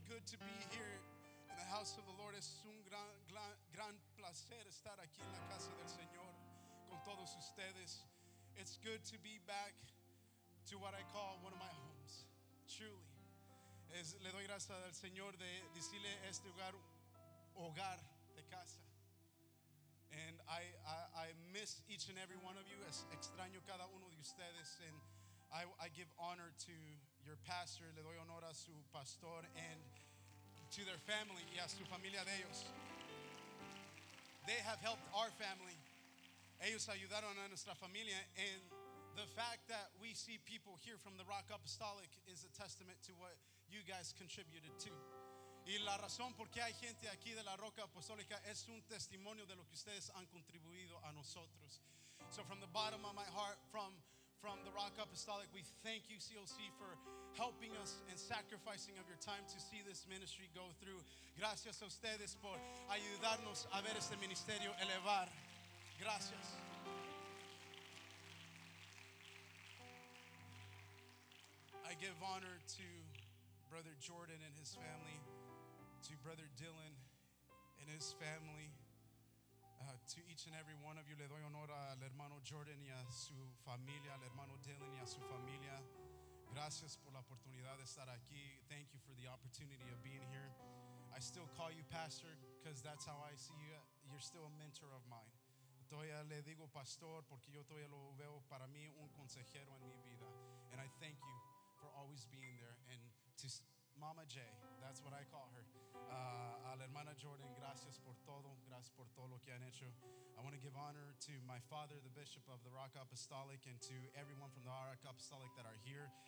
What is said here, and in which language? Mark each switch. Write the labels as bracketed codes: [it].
[en] To be here in the house of the Lord. [es] Es un gran placer estar aquí en la casa del Señor con todos ustedes. [en] It's good to be back to what I call one of my homes. Truly. [es] Le doy gracias al Señor de decirle este lugar hogar de casa. [en] And I miss each and every one of you. [es] Extraño cada uno de ustedes. [en] And I give honor to your pastor. [es] Le doy honor a su pastor. [en] And to their family, [es] y a su familia de ellos. [en] They have helped our family. [es] Ellos ayudaron a nuestra familia. [en] And the fact that we see people here from the Rock Apostolic is a testament to what you guys contributed to. [es] Y la razón por qué hay gente aquí de la Roca Apostólica es un testimonio de lo que ustedes han contribuido a nosotros. [en] So from the bottom of my heart, from the Rock Apostolic, we thank you, CLC, for helping us and sacrificing of your time to see this ministry go through. [es] Gracias a ustedes por ayudarnos a ver este ministerio elevar. Gracias. [en] I give honor to Brother Jordan and his family, to Brother Dylan and his family, to each and every one of you. [es] Le doy honor al hermano Jordan y a su familia, al hermano Dylan y a su familia. Gracias por la oportunidad de estar aquí. [en] Thank you for the opportunity of being here. I still call you pastor because that's how I see you. You're still a mentor of mine. [es] Todavía le digo pastor porque yo todavía lo veo para mí un consejero en mi vida. [en] And I thank you for always being there. And to Mama J, that's what I call her. [es] A la hermana Jordan, gracias por todo. Gracias por todo lo que han hecho. [en] I want to give honor to my father, the Bishop of the Rock Apostolic, and to everyone from the Rock Apostolic that are here.